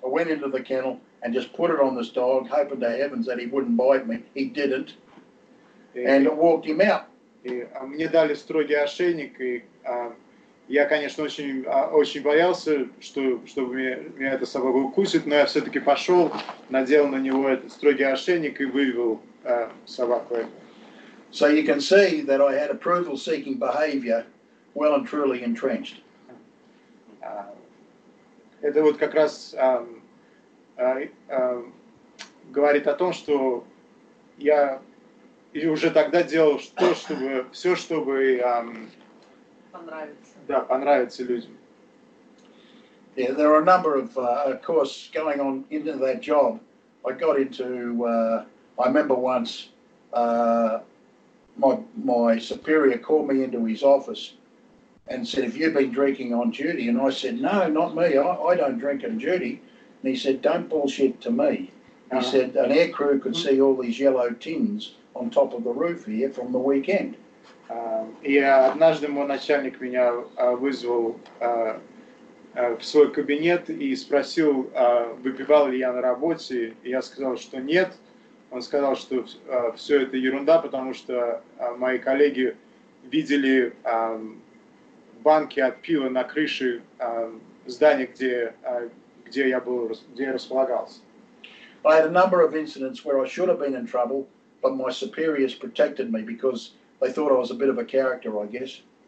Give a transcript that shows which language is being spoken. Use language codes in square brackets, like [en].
[en] I went into the kennel and just put it on this dog, hoping to heavens that he wouldn't bite me. He didn't, and I walked him out. [ru] Мне дали строгий ошейник, и я, конечно, очень боялся, чтобы меня эта собака укусит, но я все-таки пошел, надел на него этот строгий ошейник и вывел собаку. [en] So you can see that I had approval-seeking behavior. Well and truly entrenched. [ru] Это вот как раз говорит о том, что я уже тогда делал то, чтобы все, чтобы понравиться. Да, понравиться людям. [en] Yeah, there are a number of course going on into that job. I got into. I remember once my superior called me into his office. And said, "Have you been drinking on duty?" And I said, "No, not me. I don't drink on duty." And he said, "Don't bullshit to me." He said, "An air crew could see all these yellow tins on top of the roof here from the weekend." [ru] Однажды мой начальник меня вызвал в свой кабинет и спросил, выпивал ли я на работе. Я сказал, что нет. Он сказал, что все это ерунда, потому что мои коллеги видели. Банки от пива на крыше здания, где я располагался. [en] I had a number of incidents where I should have been in trouble, but my superiors protected me because they thought I was a bit of a character, I guess.